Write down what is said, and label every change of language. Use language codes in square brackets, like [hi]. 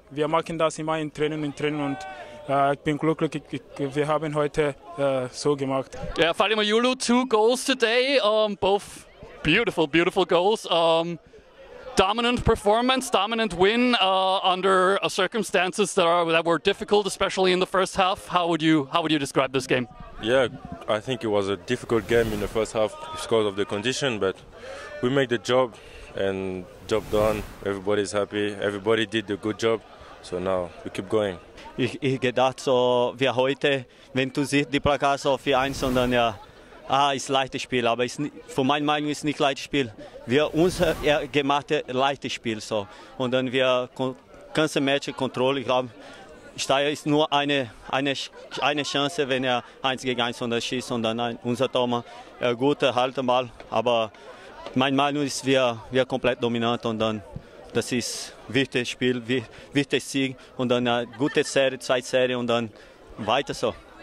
[de] Wir machen das immer im Training, und ich bin glücklich, wir haben heute so gemacht. [en] Ja, Falimo Yulu, 2 goals today, both beautiful, beautiful goals. Dominant performance, dominant win under circumstances that were difficult, especially in the first half. How would you describe this game? Yeah, I think it was a difficult game in the first half because of the condition, but we made the job. And job done, everybody's happy, everybody did a good job, so now we keep going. [de] Ich gedacht so, wie heute, wenn du siehst die Plakat so 4-1 und dann ja, ist leichtes Spiel, aber ist von meiner Meinung ist nicht leichtes Spiel. Wir uns gemacht leichtes Spiel so und dann wir ganze Match Kontrolle, ich glaube, Steyr ist nur eine Chance, wenn er 1 gegen 1 und dann schießt und dann unser Thomas, gut, halt mal, aber mein Meinung ist, wir komplett dominant und dann das ist ein wichtiges Spiel, wichtiges Sieg und dann eine gute Serie, 2 Serie und dann weiter so.